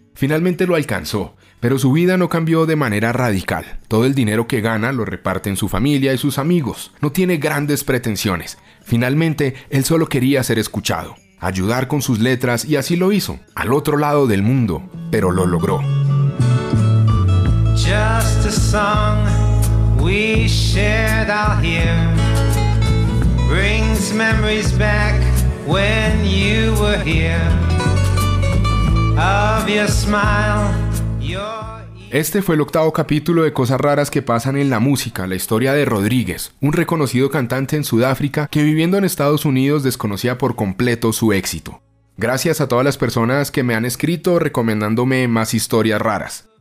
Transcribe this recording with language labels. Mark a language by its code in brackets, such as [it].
[es] Finalmente lo alcanzó, pero su vida no cambió de manera radical. Todo el dinero que gana lo reparte en su familia y sus amigos. No tiene grandes pretensiones. Finalmente, él solo quería ser escuchado, ayudar con sus letras, y así lo hizo, al otro lado del mundo, pero lo logró. [en] Just a song we shared out here. Brings memories back when you were here. Of your smile, your... [es] Este fue el octavo capítulo de Cosas Raras que Pasan en la Música, la historia de Rodríguez, un reconocido cantante en Sudáfrica que viviendo en Estados Unidos desconocía por completo su éxito. Gracias a todas las personas que me han escrito recomendándome más historias raras.